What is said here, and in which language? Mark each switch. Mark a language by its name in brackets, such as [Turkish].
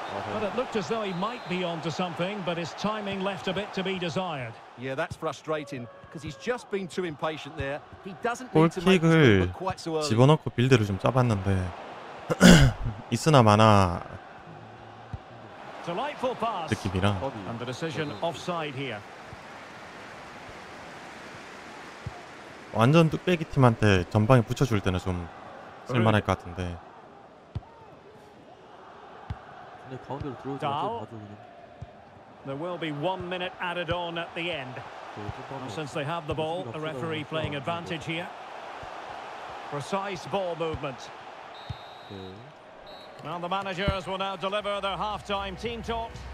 [English] But it looked as though he might be onto something, but his timing left a bit to be desired. Yeah, that's frustrating because he's just been too impatient there. He doesn't need to make quite so early. [Korean] 집어넣고 빌드를 좀 짜봤는데 있으나 마나 느낌이라. [English] And the decision offside here. [Korean] 완전 뚝배기 팀한테 전방에 붙여줄 때는 좀 쓸만할 것 같은데. 근데 가운데로 들어오지 않죠. [English] There will be one minute added on at the end. Since they have the ball, the referee playing advantage here. Precise ball movement. Now the managers will now deliver their halftime team talk.